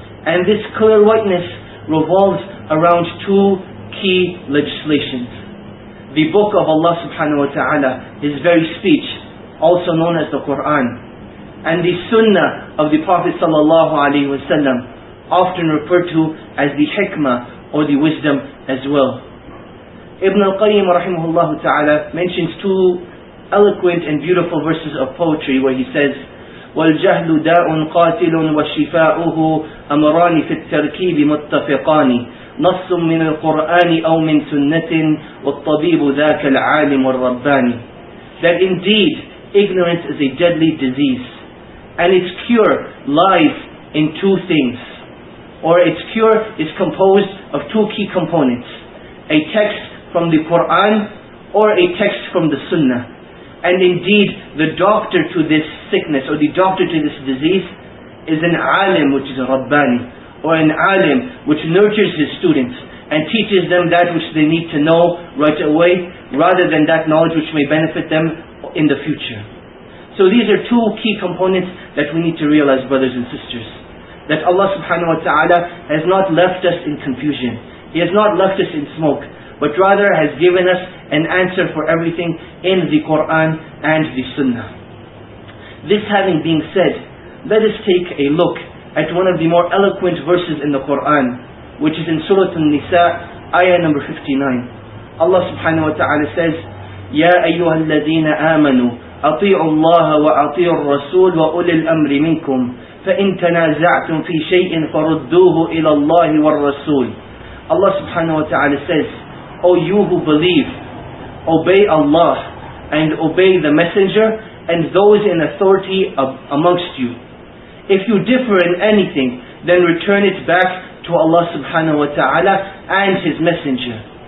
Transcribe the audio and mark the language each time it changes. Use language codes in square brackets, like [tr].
[en] And this clear whiteness revolves around two key legislations. The book of Allah subhanahu wa ta'ala, His very speech, also known as the Qur'an. And the sunnah of the Prophet sallallahu alayhi wa sallam, often referred to as the hikmah or the wisdom as well. Ibn al-Qayyim rahimahullah ta'ala mentions two eloquent and beautiful verses of poetry where he says, [ar] وَالْجَهْلُ دَاءٌ قَاتِلٌ وَشِفَاؤُهُ أَمْرَانِ فِي التَّرْكِيبِ مُتَّفِقَانِ نَصٌ مِنَ الْقُرْآنِ أَوْ مِنْ سُنَّةٍ وَالطَّبِيبُ ذَاكَ الْعَالِمُ الرَّبَّانِ. [en] That indeed, ignorance is a deadly disease, and its cure lies in two things, or its cure is composed of two key components, a text from the Qur'an or a text from the Sunnah. And indeed, the doctor to this sickness or the doctor to this disease is an alim, which is a Rabbani, or an alim which nurtures his students and teaches them that which they need to know right away, rather than that knowledge which may benefit them in the future. So these are two key components that we need to realize, brothers and sisters, that Allah subhanahu wa ta'ala has not left us in confusion. He has not left us in smoke, but rather has given us an answer for everything in the Quran and the Sunnah. This having been said, let us take a look at one of the more eloquent verses in the Quran, which is in Surah An-Nisa, ayah number 59. Allah subhanahu wa ta'ala says, [ar] يَا أَيُّهَا الَّذِينَ آمَنُوا أَطِيعُوا اللَّهَ وَأَطِيعُوا الرَّسُولُ وَأُولِي الْأَمْرِ مِنْكُمْ فَإِنْ تَنَازَعْتُمْ فِي شَيْءٍ فَرُدُّوهُ إِلَى اللَّهِ وَالرَّسُولِ. [en] Allah subhanahu wa ta'ala says, O you who believe, obey Allah and obey the Messenger and those in authority amongst you. If you differ in anything, then return it back to Allah subhanahu wa ta'ala and His Messenger.